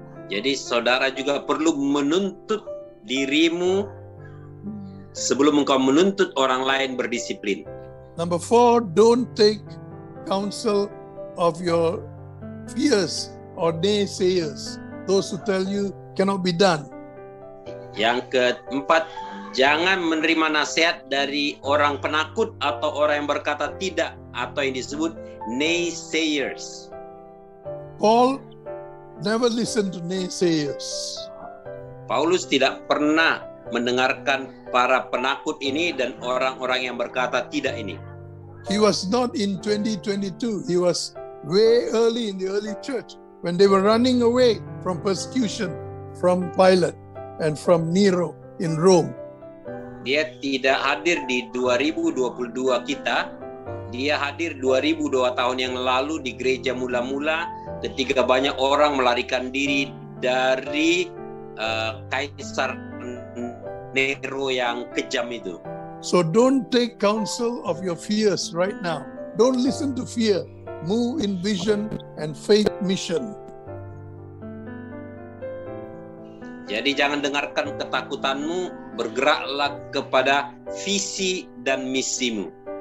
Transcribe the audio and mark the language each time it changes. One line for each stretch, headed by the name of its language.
Indonesian: Jadi saudara juga perlu menuntut dirimu sebelum engkau menuntut orang lain berdisiplin.
English: Number four, don't take counsel of your fears or naysayers, those who tell you cannot be done.
Indonesian: Yang keempat, jangan menerima nasihat dari orang penakut atau orang yang berkata tidak, atau yang disebut naysayers.
English: Paul never listened to naysayers.
Indonesian: Paulus tidak pernah mendengarkan para penakut ini dan orang-orang yang berkata tidak ini.
English: He was not in 2022. He was way early in the early church when they were running away from persecution from Pilate and from Nero in Rome.
Indonesian: Dia tidak hadir di 2022 kita, Dia hadir 2002 tahun yang lalu di gereja mula-mula ketika banyak orang melarikan diri dari Kaisar Nero yang kejam itu.
English: So don't take counsel of your fears right now. Don't listen to fear. Move in vision and faith mission.
Indonesian: Jadi jangan dengarkan ketakutanmu, bergeraklah kepada visi dan misimu.